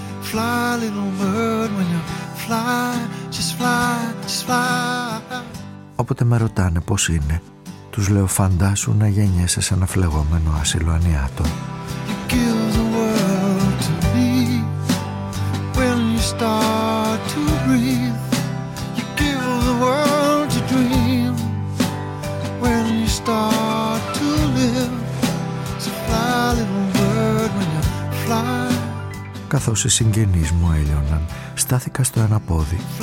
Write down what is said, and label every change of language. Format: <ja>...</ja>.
<en>Fly, little bird, when you fly, just fly, just fly.</en> <el>Όποτε με ρωτάνε πώς είναι, τους λέω φαντάσου να γεννιέσαι σε ένα φλεγόμενο άσυλο ανιάτων.</el> <en>You give the world to me when you start to breathe. You give the world to dream when you start to live. So fly, little bird, when you fly.</en> <el>Καθώς οι συγγενείς μου έλειωναν, στάθηκα στο ένα πόδι.</el>